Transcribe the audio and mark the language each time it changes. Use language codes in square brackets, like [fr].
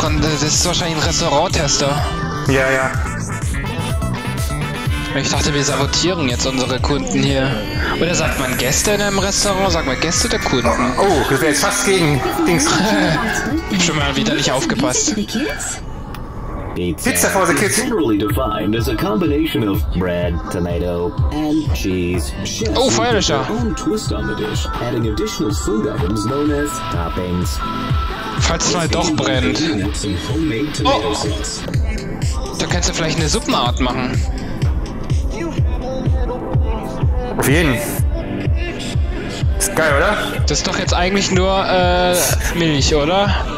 [de] Das ist wahrscheinlich ein Restaurant-Tester. Ja. Ich dachte, wir sabotieren jetzt unsere Kunden hier. Oder sagt man Gäste in einem Restaurant? Sagt man Gäste der Kunden? Oh, das wäre jetzt fast gegen Dings. Schon mal widerlich aufgepasst. [en] Pizza for the kids. Generally defined as a combination of bread, tomato, and cheese. [de] Oh, Feuerlöscher. [en] Twist on the dish, adding additional food items known as toppings. [de] Falls es mal doch brennt. Oh. Da kannst du vielleicht eine Suppenart machen. Auf jeden. Ist geil, oder? Das ist doch jetzt eigentlich nur Milch, oder?